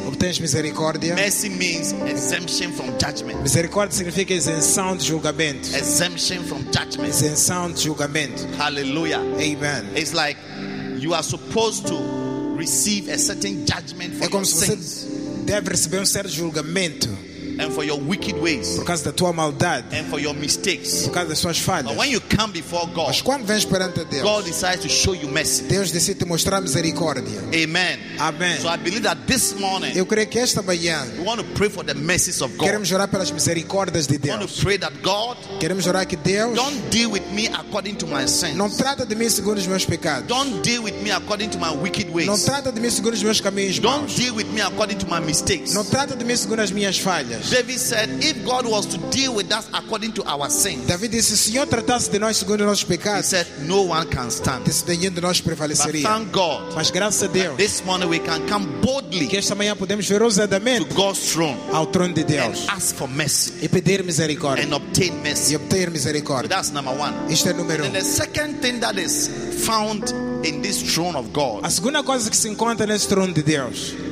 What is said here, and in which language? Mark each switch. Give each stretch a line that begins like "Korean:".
Portuguese: Obtens misericórdia.
English: Mercy means exemption from judgment.
Portuguese: Misericórdia significa isenção de julgamento.
English: Exemption from judgment.
Portuguese: Isenção de julgamento. Hallelujah. Amen.
English: It's like you are supposed to receive a certain judgment for your sins.
Portuguese: É como se você deve receber certo julgamento.
English: And for your wicked ways.
Portuguese: Por causa da tua maldade.
English: And for your mistakes.
Portuguese: Por causa das suas falhas.
English: But when you come before God.
Portuguese: Mas quando vens perante Deus.
English: God decides to show you mercy.
Portuguese: Deus decide te mostrar misericórdia. Amen. Amen.
English: So I believe that this morning.
Portuguese: Eu creio que esta manhã.
English: We want to pray for the mercies of God.
Portuguese: Queremos orar pelas misericórdias de Deus.
English: We want to pray that God.
Portuguese: Queremos orar que Deus.
English: Don't deal with me according to my sins.
Portuguese: Não trata de mim segundo os meus pecados.
English: Don't deal with me according to my wicked ways.
Portuguese: Não trata de mim segundo os meus caminhos maus.
English: Don't deal with me according to my mistakes.
Portuguese: Não trata de mim segundo as minhas falhas.
English: David said, "If God was to deal with us according to our sins,"
Portuguese: David disse, se o Senhor tratasse de nós segundo nossos pecados,
English: he said, "No one can stand."
Portuguese: Disse, nenhum de nós prevaleceria.
English: But thank God,
Portuguese: mas graças a Deus,
English: this morning we can come boldly,
Portuguese: que esta manhã podemos vir ousadamente,
English: to God's throne,
Portuguese: ao trono de Deus,
English: and ask for mercy,
Portuguese: e pedir misericórdia,
English: and obtain mercy,
Portuguese: e obter misericórdia.
English: So that's number one.
Portuguese: Isto é número um.
English: And the second thing that is found in this throne of God,
Portuguese: a segunda coisa que se encontra neste trono de Deus,